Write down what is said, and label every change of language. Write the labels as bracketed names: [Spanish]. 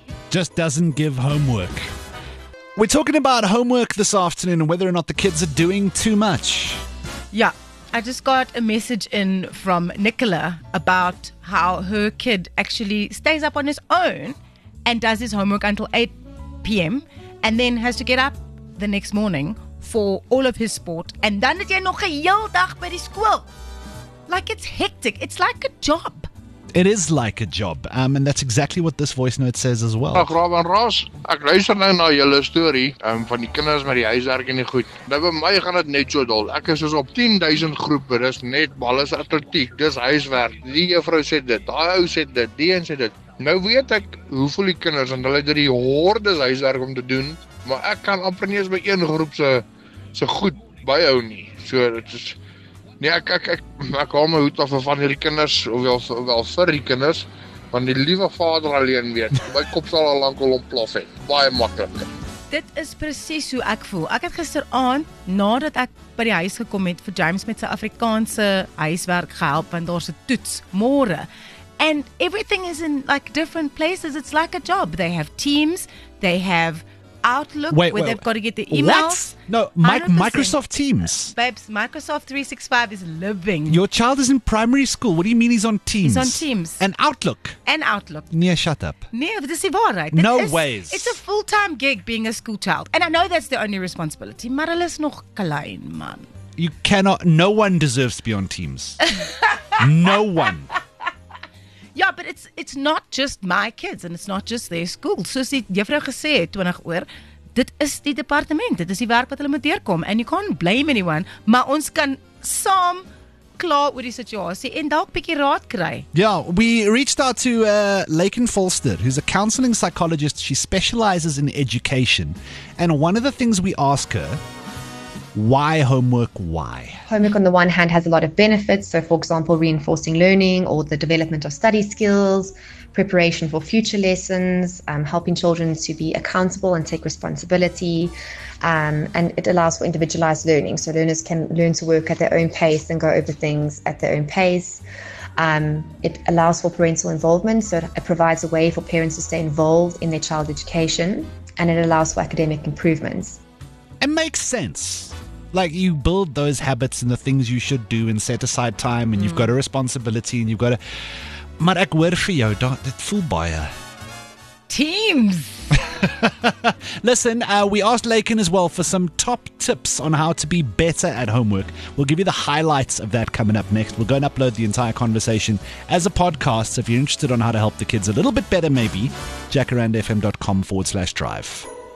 [English] Just doesn't give homework. We're talking about homework this afternoon and whether or not the kids are doing too much. Yeah, I just got a message in from Nicola about how her kid actually stays up on his own and does his homework until 8 p.m. and then has to get up the next morning for all of his sport. [Afrikaans] And dan het jy nog 'n heel dag by die skool. [English] Like, it's hectic. It's like a job. It is like a job, and that's exactly what this voice note says as well. [Afrikaans] Ag, Rob en Ros, ek luister nou na julle story van die kinders met die huiswerk en die goed. Nou by my gaan dit net so dol. Ek is soos op 10,000 groepe, dis net alles atletiek, dis huiswerk. Die juffrou sê dit, daai ou sê dit, die een sê dit. Nou weet ek hoe voel die kinders en hulle het die hordes huiswerk om te doen, maar ek kan amper nie eens by een groep se goed byhou nie. So dit is nee, ek hou my hoed af van hierdie kinders, of wel vir die kinders, want die liewe vader alleen weet, my kop sal al lank al ontplof het, baie makkelijk. Dit is precies hoe ek voel. Ek het gisteraan, nadat ek by die huis gekom het, vir James met sy Afrikaanse huiswerk gehelp, want daar is 'n toets, môre. [English] And everything is in like different places, it's like a job. They have teams, they have Outlook, wait, they've got to get the emails. What? No, Microsoft Teams. Babes, Microsoft 365 is living. Your child is in primary school. What do you mean he's on Teams? He's on Teams. And Outlook. Nia, shut up. Nia, this is all right. No ways. It's a full-time gig being a school child. And I know that's the only responsibility. [Afrikaans] Maar hulle is nog klein, man. [English] You cannot, no one deserves to be on Teams. No one. Yeah, but it's not just my kids and it's not just their school. [Afrikaans] Soos die juffrou gesê het 20 oor, dit is die departement, dit is die werk wat hulle moet deurkom. [English] And you can't blame anyone, [Afrikaans] maar ons kan saam kla oor die situasie en dalk bietjie raad kry. [English] Yeah, we reached out to Laken Falster, who's a counseling psychologist. She specializes in education. And one of the things we ask her, why homework? Why? Homework on the one hand has a lot of benefits. So for example, reinforcing learning or the development of study skills, preparation for future lessons, helping children to be accountable and take responsibility. And it allows for individualized learning. So learners can learn to work at their own pace and go over things at their own pace. It allows for parental involvement. So it provides a way for parents to stay involved in their child education. And it allows for academic improvements. It makes sense. Like, you build those habits and the things you should do and set aside time, and you've got a responsibility and you've got a... [Afrikaans] Maar ek hoor vir jou, dit voel baie. [English] Teams! Listen, we asked Laken as well for some top tips on how to be better at homework. We'll give you the highlights of that coming up next. We'll go and upload the entire conversation as a podcast. So if you're interested on how to help the kids a little bit better, maybe, jacarandfm.com/drive.